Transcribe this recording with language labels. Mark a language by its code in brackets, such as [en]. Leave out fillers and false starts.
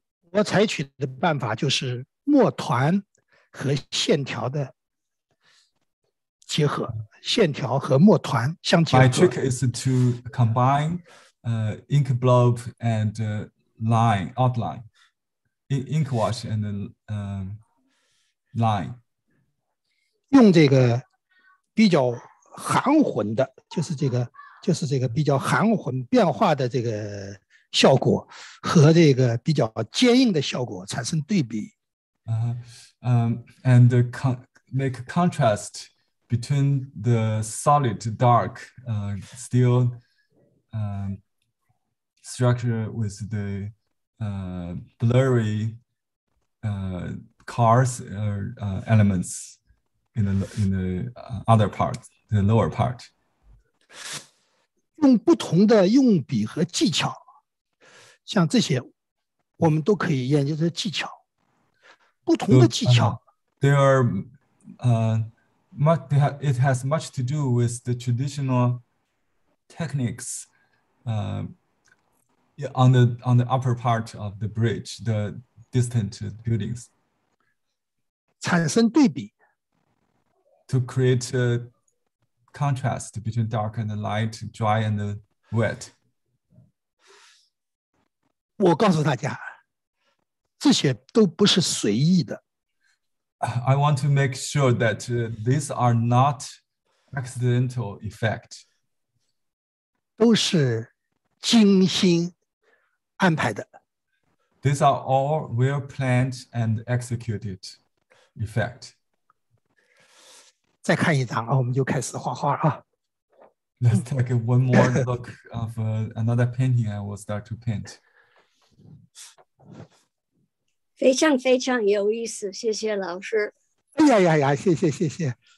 [zh] 我采取的办法就是墨团和线条的结合，线条和墨团相结合。 [en] My trick is to combine ink blob and line outline, ink wash and line. [zh] 用这个比较含混的，就是这个比较含混变化的这个效果和这个比较坚硬的效果产生对比。 [en] And make contrast between the solid dark steel structure with the blurry cars or elements in the other part. The lower part. [zh] 用不同的用笔和技巧，像这些，我们都可以研究这技巧。不同的技巧。 [en] There are, much. It has much to do with the traditional techniques. On the upper part of the bridge, the distant buildings. [zh] 产生对比。 [en] To create a contrast between dark and light, dry and wet. [zh] 我告诉大家，这些都不是随意的。 [en] I want to make sure that these are not accidental effect. [zh] 都是精心安排的。 [en] These are all well planned and executed effect. [zh] 再看一张啊，我们就开始画画啊。 [en] Let's take one more look of another painting. I will start to paint. [zh] 非常非常有意思，谢谢老师。哎呀呀呀，谢谢谢谢。